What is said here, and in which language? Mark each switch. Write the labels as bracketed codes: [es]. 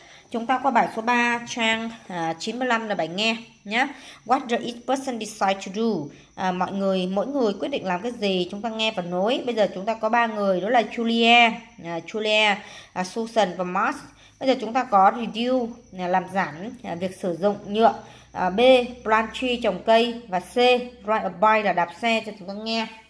[vi] Chúng ta qua bài số 3, trang 95 là bài nghe nhé. [en] What does each person decide to do? [vi] Mỗi người quyết định làm cái gì? Chúng ta nghe và nối. Bây giờ chúng ta có 3 người, đó là Julia, Susan và Mark. Bây giờ chúng ta có reduce, làm giảm việc sử dụng nhựa. B, [en] plant tree, [vi] trồng cây. Và C, [en] ride a bike, [vi] là đạp xe, cho chúng ta nghe.